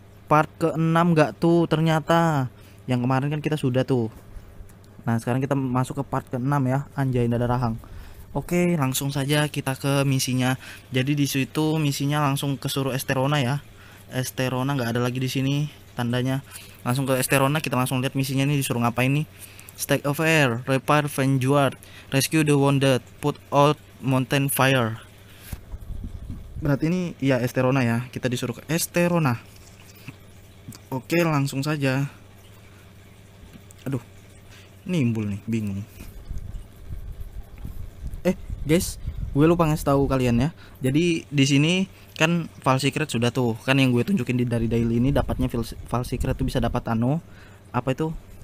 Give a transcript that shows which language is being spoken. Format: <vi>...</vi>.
<id>Part ke-6 gak tuh ternyata. Yang kemarin kan kita sudah tuh. Nah sekarang kita masuk ke part ke-6 ya, Anjay Dada Rahang. Oke, langsung saja kita ke misinya. Jadi di situ misinya langsung ke suruh Esterona ya. Esterona nggak ada lagi di sini tandanya. Langsung ke Esterona, kita langsung lihat misinya ini disuruh ngapain nih.</id> <en>State of air, repair vanguard, rescue the wounded, put out mountain fire.</en> <id>Berarti ini ya Esterona ya. Kita disuruh ke Esterona. Oke, langsung saja. Aduh, nimbul nih, bingung. Guys, gue lupa ngasih tahu kalian ya. Jadi di sini kan file secret sudah tuh, kan yang gue tunjukin di dari daily ini dapatnya file secret tuh bisa dapat anu apa itu?</id>